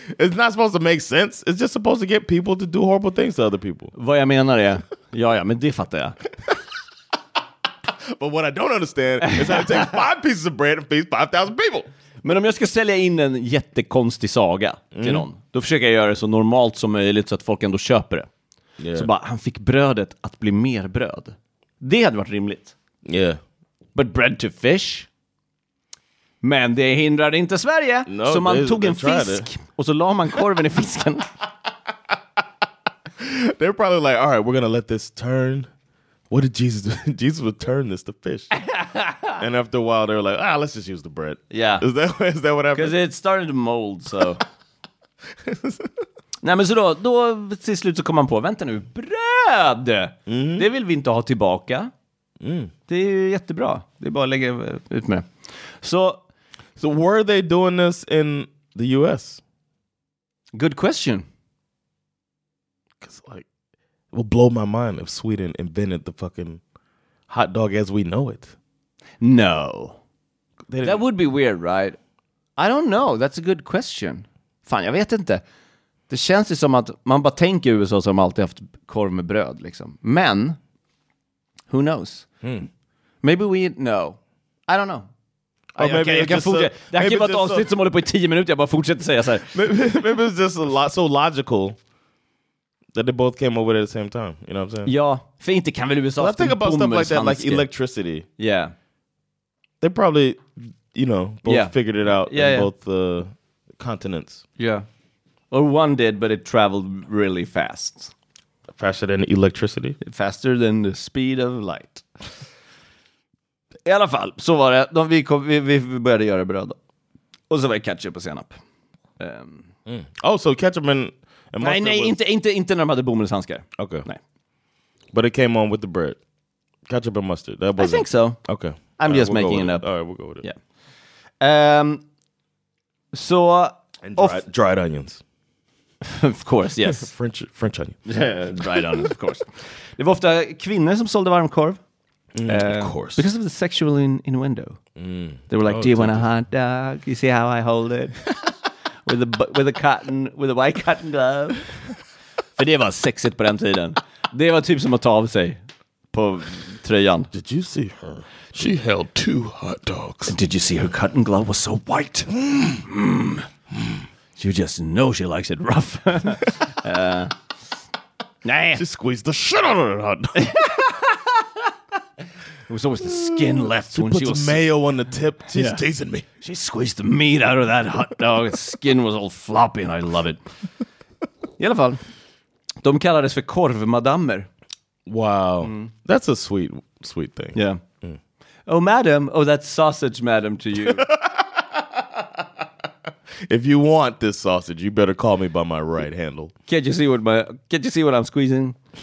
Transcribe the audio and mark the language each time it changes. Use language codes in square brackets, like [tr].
[en] It's not supposed to make sense. It's just supposed to get people to do horrible things to other people. [sv] Vad jag menar är... Ja, men det fattar jag. [en] But what I don't understand is how to take 5 pieces of bread and feed 5,000 people. [sv] Men om jag ska sälja in en jättekonstig saga till någon, då försöker jag göra det så normalt som möjligt så att folk ändå köper det. Yeah. Så bara, han fick brödet att bli mer bröd. Det hade varit rimligt. [en] Yeah. But bread to fish? [sv] Men det hindrade inte Sverige. [en] No, [sv] så man tog en fisk och så la man korven i fisken. [en] They're probably like, all right, we're gonna let this turn... What did Jesus do? Jesus would turn this to fish. And after a while, they were like, let's just use the bread. Yeah. Is that what happened? Because it started to mold, so. [sv] Nej, men så då till slut så kom man på, vänta nu, bröd! Mm. Det vill vi inte ha tillbaka. Mm. Det är ju jättebra. Det är bara att lägga ut med. [en] So were they doing this in the US? Good question. Because, like, It will blow my mind if Sweden invented the fucking hot dog as we know it. No. That would be weird, right? I don't know. That's a good question. [sv] Fan, jag vet inte. Det känns ju som att man bara tänker USA som alltid haft korv med bröd, liksom. [en] Men, who knows? Hmm. Maybe we know. I don't know. [sv] Det här kan vara ett avsnitt som håller på i 10 minutes. Jag bara fortsätter säga så här. [en] Maybe it's just so logical that they both came over at the same time. You know what I'm saying? [sv] Ja, för inte kan väl USA... [en] Well, I think about stuff like that, like electricity. Yeah. They probably, you know, both figured it out in both the continents. Yeah. Or one did, but it traveled really fast. Faster than electricity? Faster than the speed of light. [sv] I alla fall, så var det. Vi började göra bröd. Och så var det ketchup och senap. [en] Oh, so ketchup and mustard. [sv] Nej, inte när de hade bomullshandskar. [en] Okay. [sv] Nej. [en] But it came on with the bread. Ketchup and mustard. That was I think so. Okay. I'm just making it up. All right, we'll go with it. Yeah. So... And dried onions. Of course, yes. French onions. Dried onions, of course. [sv] Det var ofta kvinnor som sålde varmkorv. [en] Of course. Because of the sexual innuendo. They were like, do you want a hot dog? You see how I hold it? with a white cotton glove. [sv] För det var sexigt på den tiden. Det var typ som att ta av sig på tröjan. [en] Did you see her? She held 2 hot dogs. And did you see her cotton glove was so white? You just know she likes it rough. [sv] Nej. [en] She squeezed the shit out of her hot dog. It was always the skin left she when puts she was mayo on the tip. She's teasing me. She squeezed the meat out of that hot dog. Skin was all floppy and I love it. [sv] I alla fall. De kallades för korvmadammer. [en] Wow. Mm. That's a sweet, sweet thing. Yeah. Mm. Oh, madam. Oh, that's sausage, madam, to you. If you want this sausage, you better call me by my right handle. Can't you see what my? Can't you see what I'm squeezing?